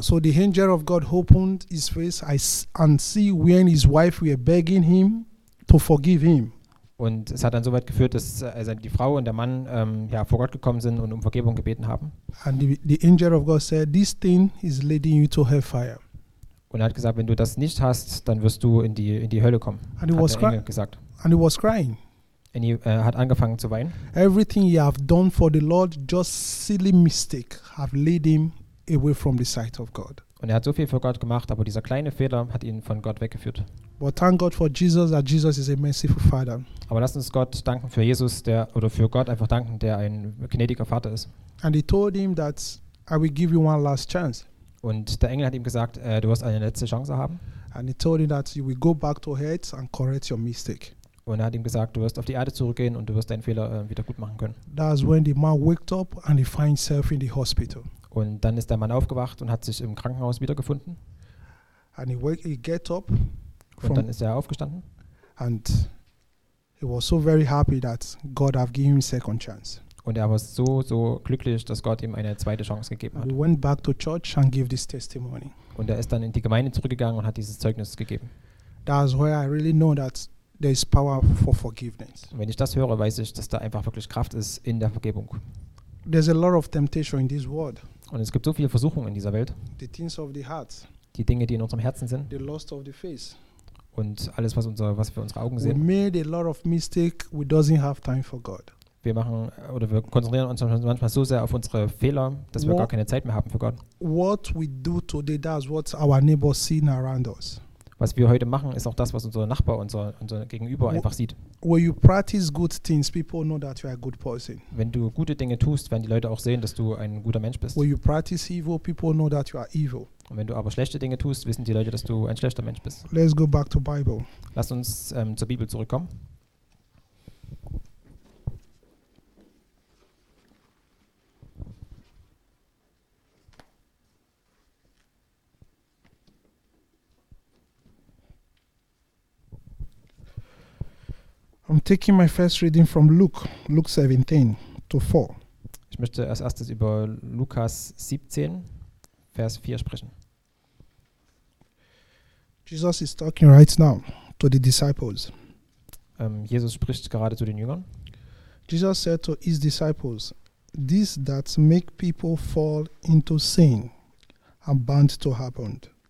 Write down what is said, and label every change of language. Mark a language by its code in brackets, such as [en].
[en] So the angel of God opened his face and see when his wife were begging him to forgive him. [de] Und es hat dann so weit geführt, dass die Frau und der Mann vor Gott gekommen sind und um Vergebung gebeten haben. [en] And the angel of God said, this thing is leading you to hellfire. [de] Und er hat gesagt, wenn du das nicht hast, dann wirst du in die Hölle kommen. [en] And he was [de] der Engel gesagt. [en] And he was crying. [de] Und er hat angefangen zu weinen. [en] Everything you have done for the Lord, just silly mistake, have led him away from the sight of God. [de] Und er hat so viel für Gott gemacht, aber dieser kleine Fehler hat ihn von Gott weggeführt. [en] But thank God for Jesus, that Jesus is a merciful Father. [de] Aber lass uns Gott danken für Jesus, für Gott einfach danken, der ein gnädiger Vater ist. [en] And he told him that I will give you one last chance. [de] Und der Engel hat ihm gesagt, du wirst eine letzte Chance haben. [en] And he told him that you will go back to earth and correct your mistake. [de] Und er hat ihm gesagt, du wirst auf die Erde zurückgehen und du wirst deinen Fehler wieder gut machen können. [en] That's when the man waked up and he finds himself in the hospital. [de] Und dann ist der Mann aufgewacht und hat sich im Krankenhaus wiedergefunden. [en] And he get up. [de] Und dann ist er aufgestanden. [en] And he was so very happy that God have given him second chance. [de] Und er war so glücklich, dass Gott ihm eine zweite Chance gegeben hat. [en] He went back to church and gave this testimony. [de] Und er ist dann in die Gemeinde zurückgegangen und hat dieses Zeugnis gegeben. [en] That's where I really know that there is power for forgiveness. [de] Und wenn ich das höre, weiß ich, dass da einfach wirklich Kraft ist in der Vergebung. [en] There's a lot of temptation in this world. [de] Und es gibt so viele Versuchungen in dieser Welt. [en] The things of the heart. [de] Die Dinge, die in unserem Herzen sind. [en] The lust of the face. [de] Und alles, was wir unsere Augen sehen. [en] We made a lot of mistake. We doesn't have time for God. [de] Wir konzentrieren uns manchmal so sehr auf unsere Fehler, dass wir gar keine Zeit mehr haben für Gott. [en] What we do today, that's what our neighbors see around us. [de] Was wir heute machen, ist auch das, was unser Nachbar, unser Gegenüber einfach sieht. [en] When you practice good things, people know that you are a good person. [de] Wenn du gute Dinge tust, werden die Leute auch sehen, dass du ein guter Mensch bist. [en] When you practice evil, people know that you are evil. [de] Und wenn du aber schlechte Dinge tust, wissen die Leute, dass du ein schlechter Mensch bist. [en] Let's go back to Bible. [de] Lass uns zur Bibel zurückkommen. [en] I'm taking my first reading from Luke 17 to 4. [de] Ich möchte als erstes über Lukas 17, Vers 4 sprechen. [en] Jesus is talking right now to the disciples. [de] Jesus spricht gerade zu den Jüngern. [en] Jesus said to his disciples, this that make people fall into sin are bound to happen.